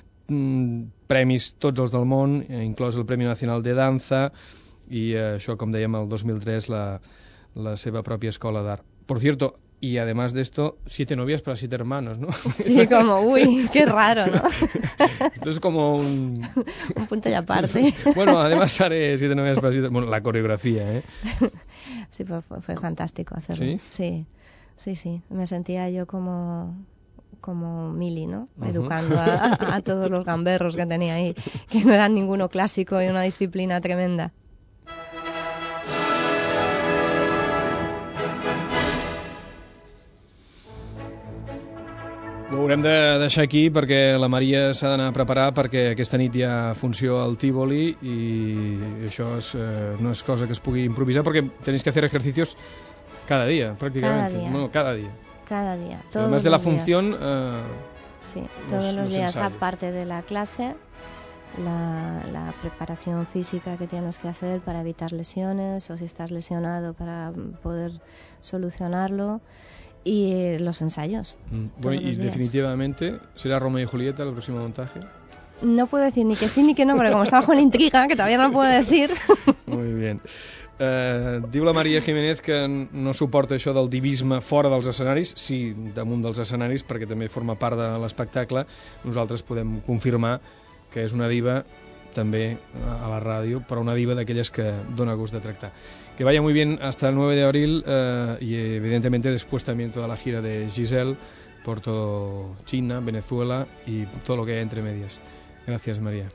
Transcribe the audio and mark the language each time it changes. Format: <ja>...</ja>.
<ca>Premis tots els del món, inclòs el Premi Nacional de Danza, i això, com dèiem, el 2003 la seva pròpia escola d'art.</ca> <es>Por cierto, y además de esto, 7 novias para 7 hermanos, ¿no? Sí, como, uy, qué raro, ¿no? Esto es como un... un punto y aparte. Bueno, además haré 7 novias para 7 hermanos. Bueno, la coreografía, ¿eh? Sí, fue fantástico hacerlo. ¿Sí? Sí. Sí, sí, me sentía yo como Mili, ¿no? Educando a todos los gamberros que tenía ahí, que no eran ninguno clásico y una disciplina tremenda.</es> <ca>Ho haurem de deixar aquí perquè la Maria s'ha d'anar a preparar perquè aquesta nit hi ha funció al Tívoli i això és, no és cosa que es pugui improvisar perquè</ca> <es>tenéis que fer ejercicios cada día, prácticamente. Cada día. No, cada día. Cada día. Todos además de la función... sí, todos los días, ensayos. Aparte de la clase, la preparación física que tienes que hacer para evitar lesiones o si estás lesionado para poder solucionarlo, y los ensayos. Bueno, y definitivamente, ¿será Romeo y Julieta el próximo montaje? No puedo decir ni que sí ni que no, porque como está bajo la intriga, que todavía no lo puedo decir. Muy bien.</es> <ca>Diu la Maria Jiménez que no suporta això del divisme fora dels escenaris. Sí, damunt dels escenaris, perquè també forma part de l'espectacle. Nosaltres podem confirmar que és una diva també a la ràdio, però una diva d'aquelles que dona gust de tractar.</ca> <es>Que vaya muy bien hasta el 9 de abril y evidentemente después también toda la gira de Giselle por todo China, Venezuela y todo lo que hay entre medias. Gracias, María.</es>